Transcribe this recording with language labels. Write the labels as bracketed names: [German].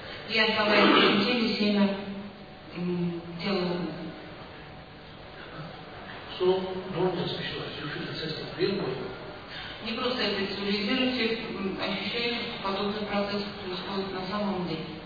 [Russian] И оставляют в теле семя тела. [English] So, don't just visualize, you feel the sense of real body. [Russian] Не просто это визуализируйте, ощущайте, что подобный процесс происходит на самом деле.